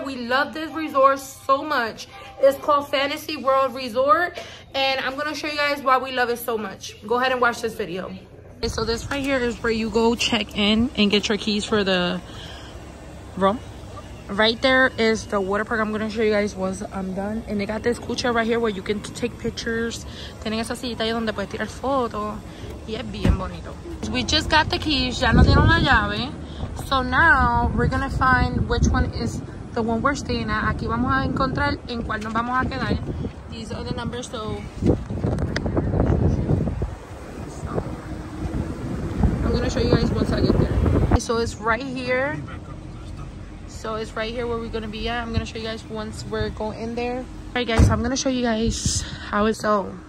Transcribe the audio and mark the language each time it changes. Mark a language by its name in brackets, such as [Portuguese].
[English] We love this resort so much. It's called Fantasy World Resort, and I'm going to show you guys why we love it so much. Go ahead and watch this video. Okay, so this right here is where you go check in and get your keys for the room. Right there is the water park. I'm going to show you guys once I'm done. And they got this cool chair right here where you can take pictures. [Spanish] Tienen esa sillita ahí donde puedes tirar fotos. Y es bien bonito. We just got the keys. Ya nos dieron la llave. [English] So now we're going to find which one is the one we're staying at. [Spanish] Aquí vamos a encontrar en cuál nos vamos a quedar. [English] These are the numbers. So I'm going to show you guys once I get there. So it's right here. So it's right here where we're going to be at. I'm going to show you guys once we're going in there. All right, guys. So I'm going to show you guys how it's all.